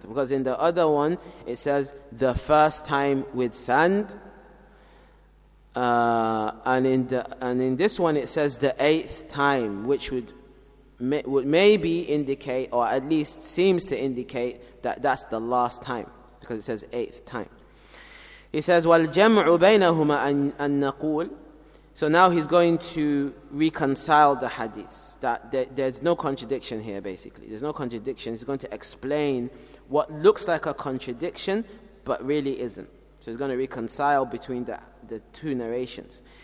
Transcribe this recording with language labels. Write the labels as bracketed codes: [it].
[en] Because in the other one, it says the first time with sand. And in this one, it says the eighth time, which would maybe indicate, or at least seems to indicate, that that's the last time, because it says eighth time. He says, [ar] وَالْجَمْعُ بَيْنَهُمَا أَن نَقُولُ. [en] So now he's going to reconcile the hadiths. That there's no contradiction here, basically. There's no contradiction. He's going to explain what looks like a contradiction, but really isn't. So he's going to reconcile between the two narrations.